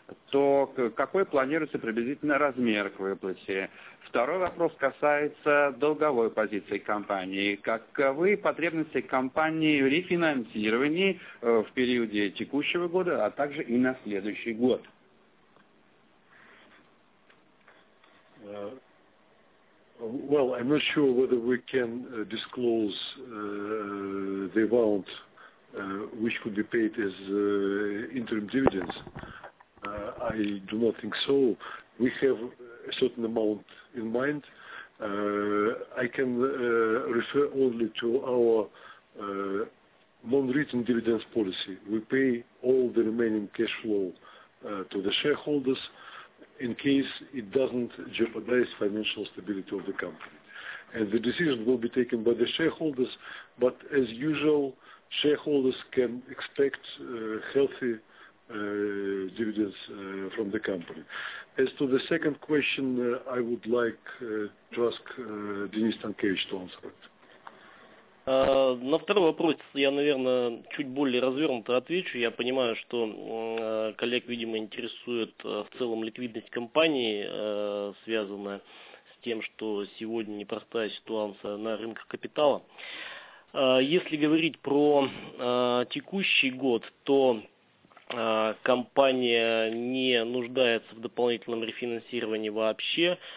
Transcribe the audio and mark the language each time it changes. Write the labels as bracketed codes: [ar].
[ru] То какой планируется приблизительно размер к выплате? Второй вопрос касается долговой позиции компании. Каковы потребности компании в рефинансировании в периоде текущего года, а также и на следующий год? [en] Well, I'm not sure whether we can disclose the amount which could be paid as interim dividends. I do not think so. We have a certain amount in mind. I can refer only to our non-written dividends policy. We pay all the remaining cash flow to the shareholders in case it doesn't jeopardize financial stability of the company. And the decision will be taken by the shareholders, but as usual, shareholders can expect healthy dividends from the company. As to the second question, I would like to ask Denis Tankevich to answer it. [ru] На второй вопрос я, наверное, чуть более развернуто отвечу. Я понимаю, что коллег, видимо, интересует в целом ликвидность компании, связанная с тем, что сегодня непростая ситуация на рынках капитала. Если говорить про текущий год, то компания не нуждается в дополнительном рефинансировании вообще.